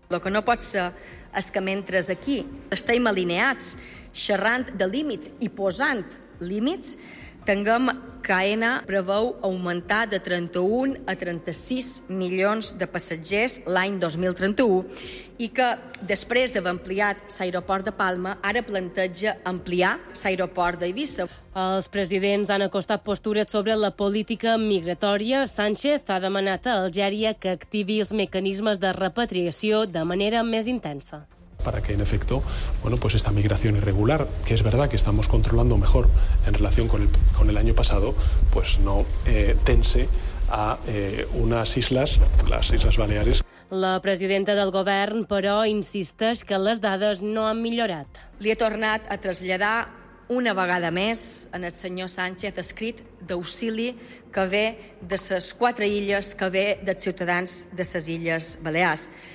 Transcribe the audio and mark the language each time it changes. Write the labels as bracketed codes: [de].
[ca] Lo que no pot ser és que mentre aquí estem alineats, xerrant de límits i posant límits, tinguem que Aena preveu augmentar de 31 a 36 milions de passatgers l'any 2031 i que, després d'haver ampliat l'aeroport de Palma, ara planteja ampliar l'aeroport d'Eivissa. Els presidents han acostat postures sobre la política migratòria. Sánchez ha demanat a Algèria que activi els mecanismes de repatriació de manera més intensa. [es] Para que, en efecto, bueno, pues esta migración irregular, que es verdad que estamos controlando mejor en relación con el año pasado, pues no tense a unas islas, las Islas Baleares. [ca] La presidenta del govern, però, insisteix que les dades no han millorat. Li he tornat a traslladar una vegada més en el senyor Sánchez escrit d'auxili que ve de les quatre illes, que ve dels ciutadans de les Illes Balears.